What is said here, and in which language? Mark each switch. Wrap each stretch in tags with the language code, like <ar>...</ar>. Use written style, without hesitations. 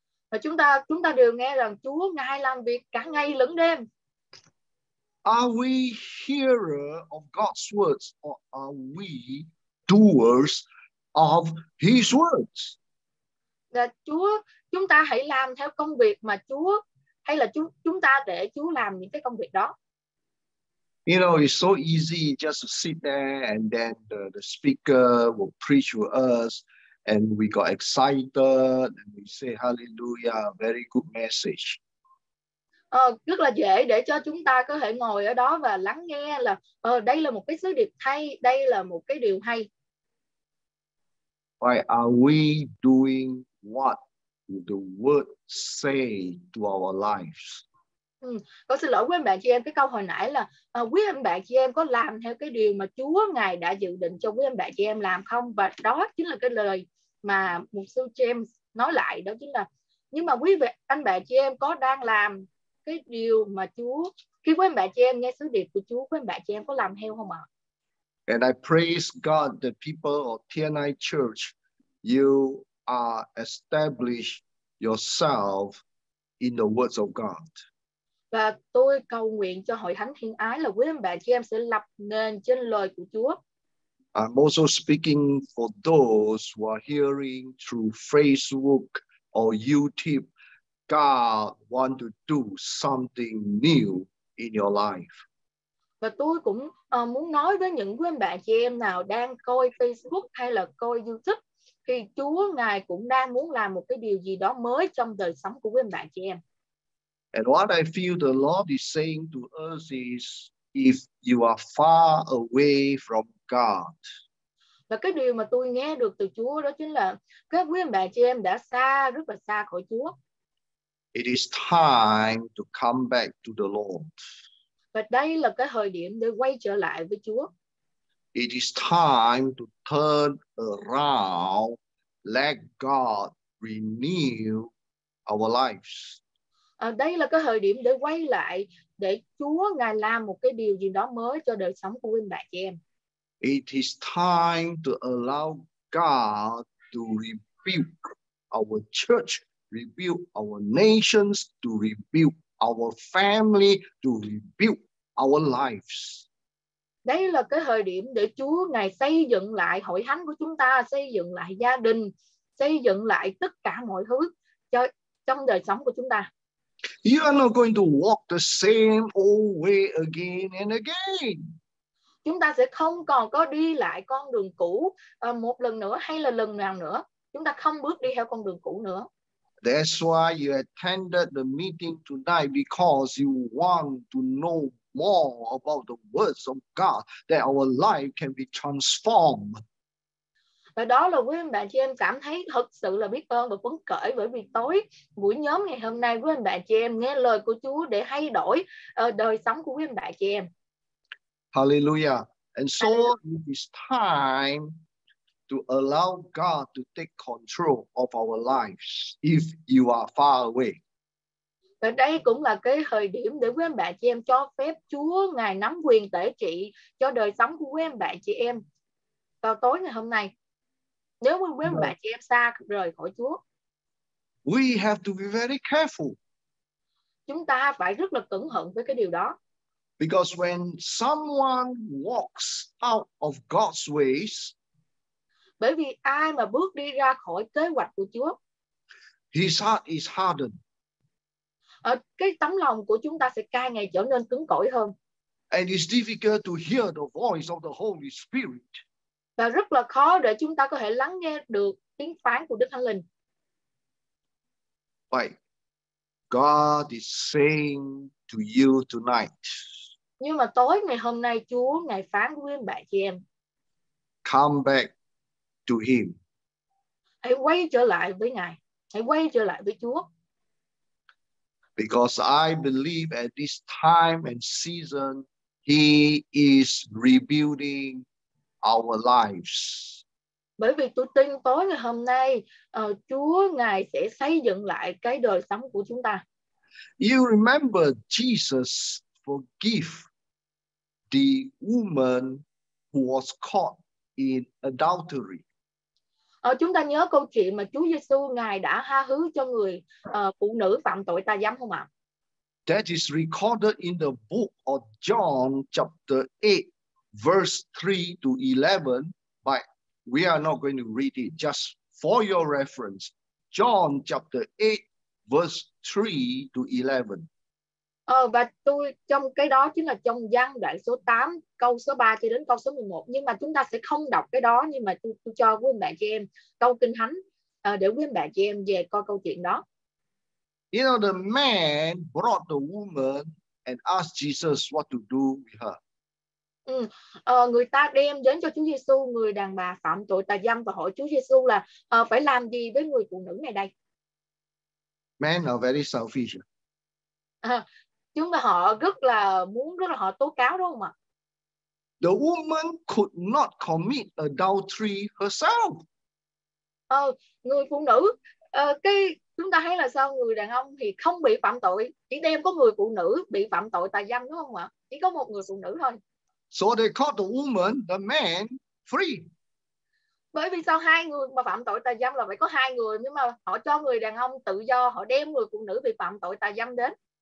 <vi>Và chúng ta đều nghe rằng Chúa Ngài làm việc cả ngày lẫn đêm.</vi> <en>Are we hearer of God's words or are we doers of his words?</en> <vi>Là Chúa, chúng ta hãy làm theo công việc mà Chúa, hay là chúng ta để Chúa làm những cái công việc đó.</vi> <en>You know, it's so easy just to sit there and then the speaker will preach to us and we got excited and we say hallelujah, very good message.</en> <vi>Rất là dễ để cho chúng ta có thể ngồi ở đó và lắng nghe là đây là một cái sứ điệp hay, đây là một cái điều hay.</vi> <en>Why are we doing what the word say to our lives?</en> <vi>Con xin lỗi quý anh bạn chị em, cái câu hồi nãy là quý anh bạn chị em có làm theo cái điều mà Chúa Ngài đã dự định cho quý anh bạn chị em làm không? Và đó chính là cái lời mà mục sư James nói lại, đó chính là nhưng mà quý anh bạn chị em có đang làm cái điều mà Chúa, khi quý anh bạn chị em nghe sứ điệp của Chúa, quý anh bạn chị em có làm theo không ạ?</vi> <en>And I praise God, the people of TNI Church, you are establish yourself in the words of God.</en> <vi>Và tôi cầu nguyện cho hội thánh thiên ái là quý anh bạn chị em sẽ lập nền trên lời của Chúa.</vi> <en>I'm also speaking for those who are hearing through Facebook or YouTube. God want to do something new in your life.</en> <vi>Và tôi cũng muốn nói với những quý anh bạn chị em nào đang coi Facebook hay là coi YouTube thì Chúa Ngài cũng đang muốn làm một cái điều gì đó mới trong đời sống của quý anh bạn chị em.</vi> <en>And what I feel the Lord is saying to us is if you are far away from God.</en> <vi>Và cái điều mà tôi nghe được từ Chúa đó chính là các quý anh bạn chị em đã xa, rất là xa khỏi Chúa.</vi> <en>It is time to come back to the Lord.</en> <vi>Và đây là cái thời điểm để quay trở lại với Chúa.</vi> <en>It is time to turn around, let God renew our lives.</en> <vi>Đây là cái thời điểm để quay lại, để Chúa Ngài làm một cái điều gì đó mới cho đời sống của anh bạn chị em.</vi> <en>It is time to allow God to rebuild our church, rebuild our nations, to rebuild our family, to rebuild our lives.</en> <vi>Đây là cái thời điểm để Chúa Ngài xây dựng lại hội thánh của chúng ta, xây dựng lại gia đình, xây dựng lại tất cả mọi thứ cho trong đời sống của chúng ta.</vi> <en>You are not going to walk the same old way again and again.</en> <vi>Chúng ta sẽ không còn có đi lại con đường cũ một lần nữa hay là lần nào nữa. Chúng ta không bước đi theo con đường cũ nữa.</vi> <en>That's why you attended the meeting tonight because you want to know more about the words of God that our life can be transformed.</en> <vi>Và đó là quý anh bạn chị em cảm thấy thật sự là biết ơn và phấn khởi, bởi vì tối buổi nhóm ngày hôm nay quý anh bạn chị em nghe lời của Chúa để thay đổi đời sống của quý anh bạn chị em.</vi> <en>Hallelujah. And so it is time to allow God to take control of our lives if you are far away.</en> <vi>Và đây cũng là cái thời điểm để quý anh bạn chị em cho phép Chúa Ngài nắm quyền tể trị cho đời sống của quý anh bạn chị em vào tối ngày hôm nay. Nếu quý anh bạn chị em xa rời khỏi Chúa,</vi> <en>we have to be very careful.</en> <vi>Chúng ta phải rất là cẩn thận với cái điều đó.</vi> <en>Because when someone walks out of God's ways,</en> <vi>bởi vì ai mà bước đi ra khỏi kế hoạch của Chúa,</vi> <en>his heart is hardened.</en> <vi>Cái tấm lòng của chúng ta sẽ càng ngày trở nên cứng cỏi hơn.</vi> <en>And it's difficult to hear the voice of the Holy Spirit.</en> <vi>Và rất là khó để chúng ta có thể lắng nghe được tiếng phán của Đức Thánh Linh.</vi> <en>Right. God is saying to you tonight.</en> <vi>Nhưng mà tối ngày hôm nay Chúa Ngài phán với quý anh bạn chị em.</vi> <en>Come back to him.</en> <vi>Hãy quay trở lại với Ngài. Hãy quay trở lại với Chúa.</vi> <en>Because I believe at this time and season he is rebuilding our lives.</en> <vi>Bởi vì tôi tin tối ngày hôm nay Chúa Ngài sẽ xây dựng lại cái đời sống của chúng ta.</vi> <en>You remember Jesus forgive the woman who was caught in adultery.</en> <vi>Chúng ta nhớ câu chuyện mà Chúa Giêsu Ngài đã tha thứ cho người phụ nữ phạm tội tà dâm không ạ?</vi> <en>That is recorded in the book of John chapter 8 verse 3 to 11, but we are not going to read it, just for your reference. John chapter 8 verse 3 to 11.</en> <vi>Và tôi trong cái đó chính là trong Giăng đoạn số 8 câu số 3 cho đến câu số 11, nhưng mà chúng ta sẽ không đọc cái đó, nhưng mà tôi cho quý anh bạn chị em câu kinh thánh để quý anh bạn chị em về coi câu chuyện đó.</vi> <en>You know, the man brought the woman and asked Jesus what to do with her.</en> <vi>Người ta đem đến cho Chúa Giêsu người đàn bà phạm tội tà dâm và hỏi Chúa Giêsu là phải làm gì với người phụ nữ này đây.</vi> <en>Men are very selfish.</en> <vi>Chúng ta họ rất là muốn, rất là họ tố cáo đúng không ạ?</vi> <en>The woman could not commit adultery herself.</en> <vi>Người phụ nữ, cái chúng ta thấy là sao, người đàn ông thì không bị phạm tội, chỉ đem có người phụ nữ bị phạm tội tà dâm đúng không ạ? Chỉ có một người phụ nữ thôi.</vi> <en>So they caught the woman, the man, free.</en> <vi>Bởi vì sao hai người mà phạm tội tà dâm là phải có hai người, nhưng mà họ cho người đàn ông tự do, họ đem người phụ nữ bị phạm tội tà dâm đến.</vi>